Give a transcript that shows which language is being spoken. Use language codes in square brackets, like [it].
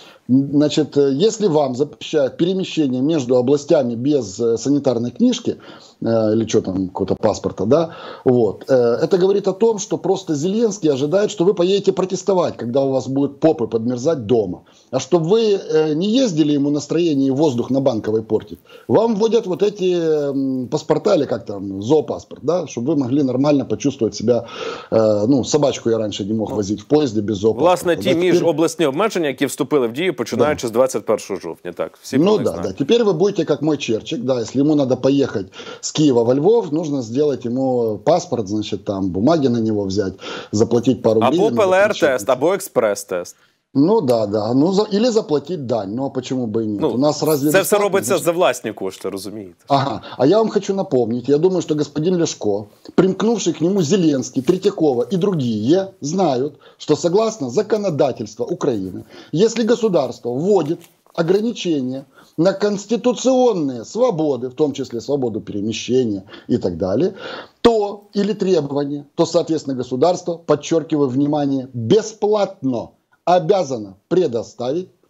[ru] Значит, если вам запрещают перемещение между областями без санитарной книжки, или что там, какого-то паспорта, да, вот, это говорит о том, что просто Зеленский ожидает, что вы поедете протестовать, когда у вас будут попы подмерзать дома. А чтобы вы не ездили ему настроение и воздух на Банковой портить, вам вводят вот эти паспорта, или как там, зоопаспорт, да, чтобы вы могли нормально почувствовать себя, ну, собачку я раньше не мог возить в поезде без зоопаспорта. [uk] Власне, ті міжобласні обмеження, які вступили в дію, починаючи з 21 жовтня, так, всі ну, да, знають. [ru] Да, теперь вы будете как мой черчик, да, если ему надо поехать с Киева во Львов, нужно сделать ему паспорт, значит, там, бумаги на него взять, заплатить пару [uk] рублей. Або ПЛР-тест, або [ru] экспресс-тест. Ну, да, да. Ну, за... Или заплатить дань. Ну, а почему бы и нет? Ну, у нас разве это все [uk] робиться за власні кошти, розумієте? [ru] Ага. А я вам хочу напомнить. Я думаю, что господин Ляшко, примкнувший к нему Зеленский, Третьякова и другие, знают, что согласно законодательству Украины, если государство вводит ограничения на конституционные свободы, в том числе свободу перемещения и так далее, то или требования, то, соответственно, государство, подчеркиваю, внимание, бесплатно обязано предоставить